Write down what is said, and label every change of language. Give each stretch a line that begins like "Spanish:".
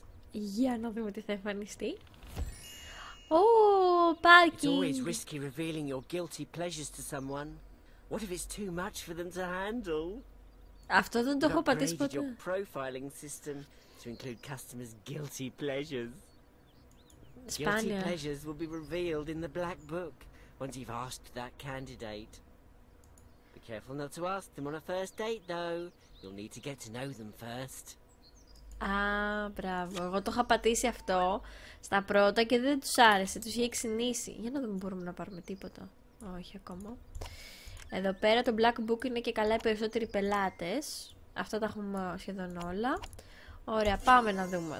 Greek: Για να δούμε τι θα εμφανιστεί. Ω, πάρκινγκ.
English: It's always risky revealing your guilty pleasures to someone. What if it's too much for them to handle?
Greek: Αυτό δεν το έχω πατήσει ποτέ.
English: Your profiling system to include customers' guilty pleasures. Guilty pleasures will be revealed in the black book once you've asked that candidate. Be careful not to ask them on a first date though. You'll need to get to know them first.
Greek: Α, μπράβο. Εγώ το είχα πατήσει αυτό στα πρώτα και δεν τους άρεσε. Τους είχε ξυνήσει. Για να δούμε μπορούμε να πάρουμε τίποτα. Όχι ακόμα. Εδώ πέρα το Black Book είναι και καλά οι περισσότεροι πελάτες. Αυτά τα έχουμε σχεδόν όλα. Ωραία, πάμε να δούμε.